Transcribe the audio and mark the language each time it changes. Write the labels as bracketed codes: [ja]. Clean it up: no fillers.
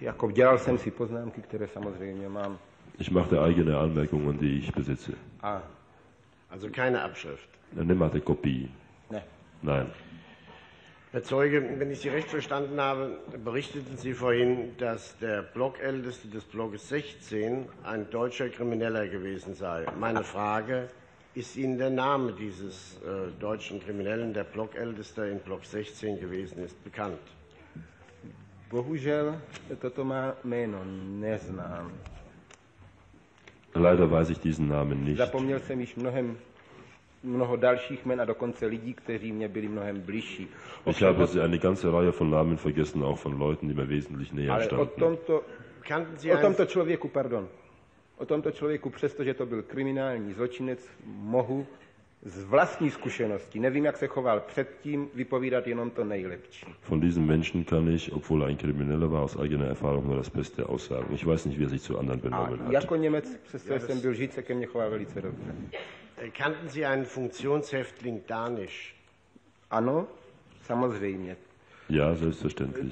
[cs] Dělal jsem si poznámky, které samozřejmě mám. [de] Ich machte eigene Anmerkungen, die ich besitze. Ah, also keine Abschrift. [cs] Ne, máte kopii. Ne. [de] Nein. Herr Zeuge, wenn ich Sie recht verstanden habe, berichteten Sie vorhin, dass der Blockälteste des Blocks 16 ein deutscher Krimineller gewesen sei. Meine Frage, ist Ihnen der Name dieses deutschen Kriminellen, der Blockältester in Block 16 gewesen ist, bekannt? [cs] Bohužel, toto má jméno neznám. [de] Leider weiß ich diesen Namen nicht. [cs] Zapomněl jsem již mnoho dalších jmen a dokonce lidí, kteří mě byli mnohem bližší. [de] Ich habe eine ganze Reihe von Namen vergessen, auch von Leuten, die mir wesentlich näher standen. [cs] Ale o tomto člověku, přestože to byl kriminální zločinec, mohu z vlastní zkušenosti, nevím, jak se choval předtím, vypovídat jenom to nejlepší. [de] Von diesem Menschen kann ich, obwohl ein Krimineller war, aus eigener Erfahrung nur das Beste aussagen. Ich weiß nicht, wie er sich zu anderen benommen hat. [cs] A jako Němec, přestože jsem byl Žid, se ke mně choval velice dobře. [de] Kannten Sie einen Funktionshäftling Danisch? [cs] Ano, samozřejmě. [de] Ja, selbstverständlich.